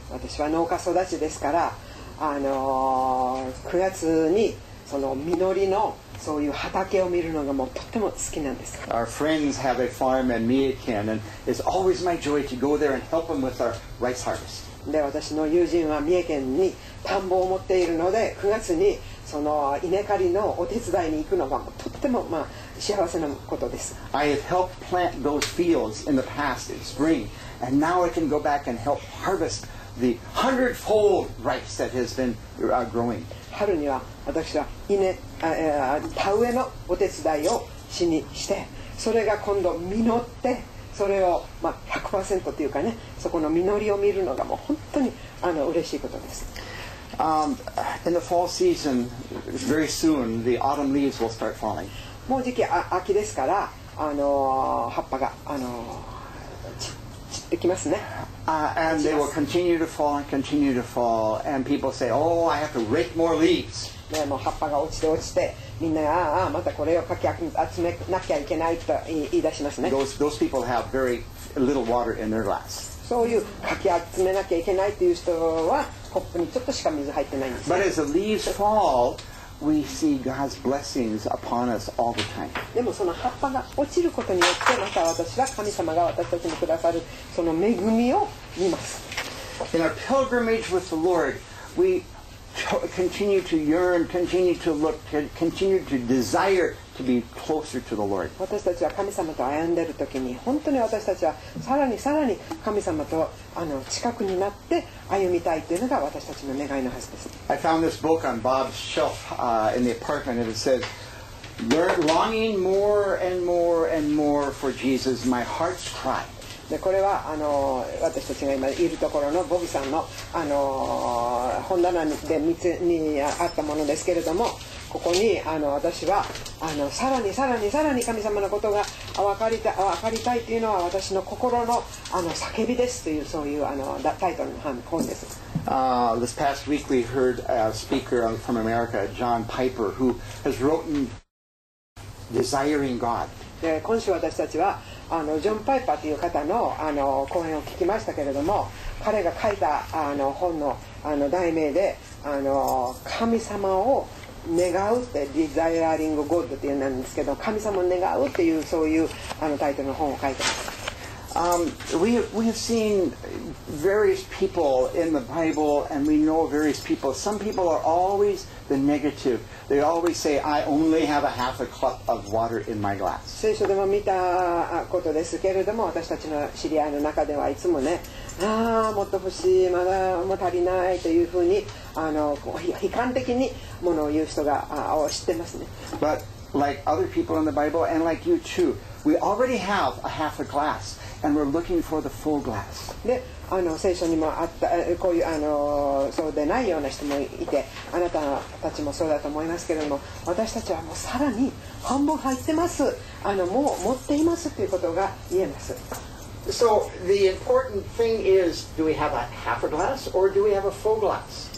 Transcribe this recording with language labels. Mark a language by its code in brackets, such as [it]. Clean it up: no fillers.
[ja] 私は農家育ちですから、9月にその実りのそういう畑を見るのがもうとっても好きなんです。 [en] Our friends have a farm in Miyakin, and it's always my joy to go there and help them with our rice harvest. [ja] で、私の友人は三重県に田んぼを持っているので、9月にその稲刈りのお手伝いに行くのがとってもまあ幸せなことです。 [en] I have helped plant those fields in the past in spring, and now I can go back and help harvest the hundredfold rice that has been growing. [ja] 春には私は稲田植えのお手伝いをしにしてそれが今度実ってそれをまあ 100% というかねそこの実りを見るのがもう本当にあの嬉しいことです、 [en] In the fall season, very soon, the autumn leaves will start falling. [ja] もう時期秋ですから、葉っぱが、散ってきますね。 [en] And they will continue to fall and continue to fall. And people say, oh, I have to rake more leaves. [ja] ね、もう葉っぱが落ちて落ちて、みんなが、ああ、またこれをかき集めなきゃいけないと言い出しますね。 [en] Those people have very little water in their glass. [ja] そういうかき集めなきゃいけないという人は、コップにちょっとしか水入ってないんです、ね。 [en] But as the leaves fall, we see God's blessings upon us all the time. [ja] でもその葉っぱが落ちることによって、また私は神様が私たちにくださるその恵みを見ます。 [en] In our pilgrimage with the Lord, we continue to yearn, continue to look, continue to desire to be closer to the Lord. [ja] 私たちは神様と歩んでいるときに、本当に私たちはさらにさらに神様とあの近くになって歩みたいというのが私たちの願いのはずです。 [en] I found this book on Bob's shelf, in the apartment, and it says, "Longing more and more and more for Jesus, my heart's cry." [ja] でこれはあの私たちが今いるところのボビさんの、本棚で見つにあったものですけれども、ここにあの私はあのさらにさらにさらに神様のことが分かりたいというのは私の心 の, あの叫びですというそういうあのタイトルの本です。 [en] This past week we heard a speaker from America, John Piper, who has written "Desiring God." [ja] で今週私たちはあのジョン・パイパーという方 の, あの講演を聞きましたけれども、彼が書いたあの本 の, あの題名で、あの神様を願うって、Desiring God っていうなんですけど、神様を願うっていうそういうあのタイトルの本を書いてます。 [en] We have seen various people in the Bible, and we know various people. Some people are always the negative. They always say, I only have a half a cup of water in my glass. [ja] 聖書でも見たことですけれども、私たちの知り合いの中ではいつもね、ああ、もっと欲しい、まだもう足りないというふうに、悲観的にものを言う人が知ってますね。 [en] But like other people in the Bible, and like you too, we already have a half a glass. And we're looking for the full glass. [ja] で、聖書にもあった、こういう、そうでないような人もいて、あなたたちもそうだと思いますけれども、私たちはもうさらに半分入ってます。もう持っていますということが言えます。 [en] So the important thing is, do we have a half a glass or do we have a full glass?